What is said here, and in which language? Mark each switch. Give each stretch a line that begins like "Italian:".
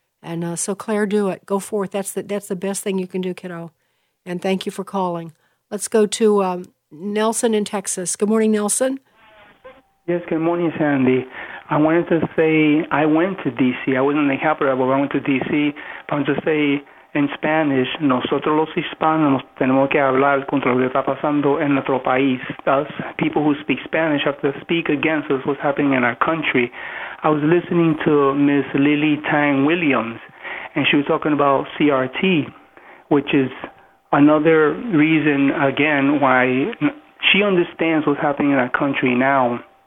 English: And so, Claire, do it. Go forth. That's the best thing you can do, kiddo. And thank you for calling. Let's go to Nelson in Texas. Good morning, Nelson. Yes, good morning, Sandy. I wanted to say I went to D.C. I wasn't in the capital, but I went to D.C.
Spanish: I wanted to say in Spanish, nosotros los hispanos tenemos que hablar contra lo que está pasando en nuestro país.
English: Us, people who speak Spanish, have to speak against us what's happening in our country. I was listening to Ms. Lily Tang Williams, and she was talking about CRT, which is another reason, again, why she understands what's happening in our country now.